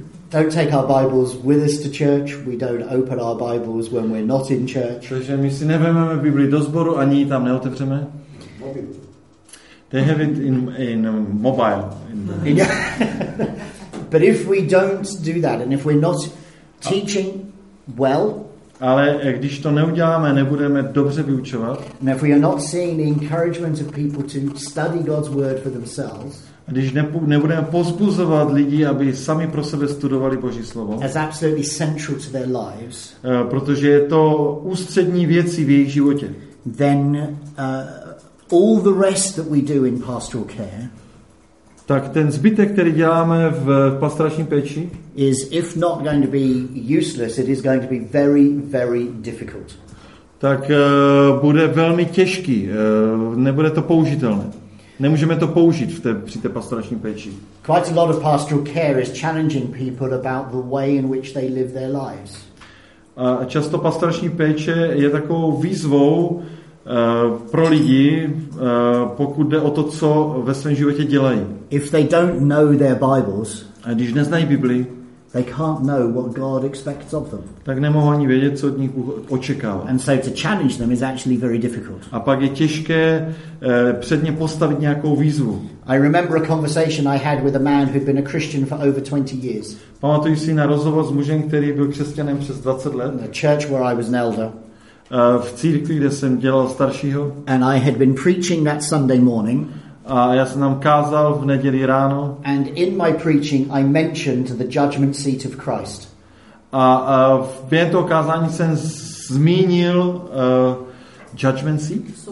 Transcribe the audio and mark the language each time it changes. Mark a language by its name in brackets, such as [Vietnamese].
[English] Don't take our Bibles with us to church. We don't open our Bibles when we're not in church. [Czech] Takže my si nevezmeme Bibli do sboru, ani ji tam neotevřeme. [English] They have it in mobile. But if we don't do that, and if we're not teaching well, [Czech] ale když to neuděláme, nebudeme dobře vyučovat. [English] And if we are not seeing the encouragement of people to study God's word for themselves, [Czech] když nebudeme pozbuzovat lidi, aby sami pro sebe studovali Boží slovo, [English] as absolutely central to their lives, [Czech] protože je to ústřední věcí v jejich životě, [English] then all the rest that we do in pastoral care, [Czech] Tak ten zbytek, který děláme v pastorační péči, [English] is if not going to be useless, it is going to be very, very difficult. [Czech] Tak bude velmi těžký, nebude to použitelné. Nemůžeme to použít při té pastorační péči. [English] Quite a lot of pastoral care is challenging people about the way in which they live their lives. [Czech] A často pastorační péče je takovou výzvou pro lidi, pokud jde o to, co ve svém životě dělají. [English] If they don't know their Bibles, [Czech] a když neznají Bibli, [English] they can't know what God expects of them. [Czech] Tak nemohou ani vědět, co od nich očekává. [English] And so to challenge them is actually very difficult. [Czech] A pak je těžké před ně postavit nějakou výzvu. [English] I remember a conversation I had with a man who'd been a Christian for over 20 years. [Czech] Pamatuju si na rozhovor s mužem, který byl křesťanem přes 20 let. [English] In the church where I was an elder. [Czech] V církvi, kde jsem dělal staršího. [English] And I had been preaching that Sunday morning. [Czech] A já jsem nám kázal v neděli ráno. [English] And in my preaching I mentioned the judgment seat of Christ. [Czech] A v během toho kázání jsem zmínil judgment seat?